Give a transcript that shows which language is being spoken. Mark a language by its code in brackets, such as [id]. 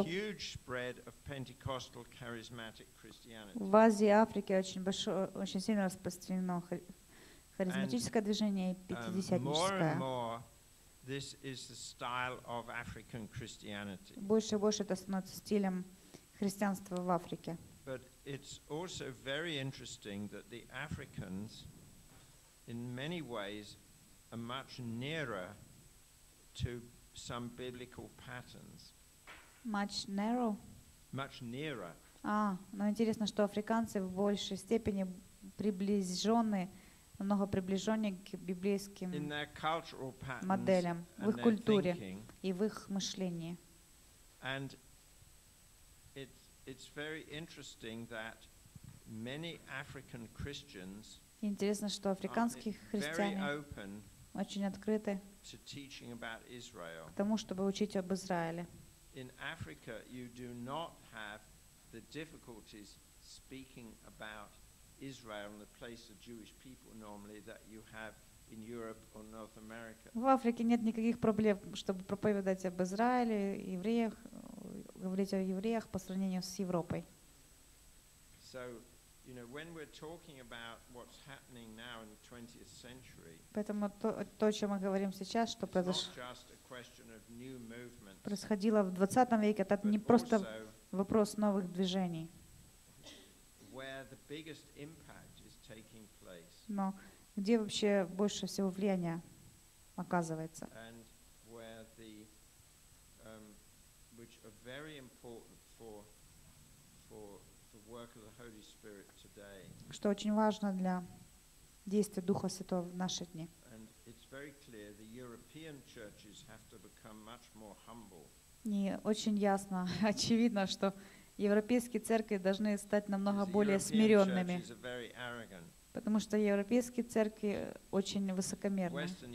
[en] a huge spread of Pentecostal charismatic Christianity. [ru] В Азии, Африке очень большое, очень сильно распространено харизматическое движение пятидесятническое. [en] This is the style of African Christianity. [ru] Больше и больше это становится стилем христианства в Африке. [en] But it's also very interesting that the Africans, in many ways, are much nearer to some biblical patterns. Much narrow. Much nearer. [ru] Но интересно, что африканцы в большей степени приближены, намного приближеннее к библейским моделям в их культуре и в их мышлении. [en] And it's very interesting that many African Christians [ru] интересно, что африканские христиане очень открыты к тому, чтобы учить об Израиле. [en] In Africa you do not have the difficulties speaking about Israel and the place of Jewish people normally that you have in Europe or North America. [ru] В Африке нет никаких проблем, чтобы проповедовать об Израиле, евреях, говорить о евреях по сравнению с Европой. [en] So, you know, when we're talking about what's happening now in the 20th century. [ru] Поэтому то, о чем мы говорим сейчас, что происходило в 20 веке, это не просто вопрос новых движений. [en] Where the biggest impact is taking place. [ru] Но где вообще больше всего влияния оказывается? [en] And where the which are very important for the work of the Holy Spirit today. [ru] Что очень важно для действия Духа Святого в наши дни. [en] And it's very clear the European churches have to become much more humble. [ru] Не очень ясно, очевидно, что европейские церкви должны стать намного более смиренными, потому что европейские церкви очень высокомерны.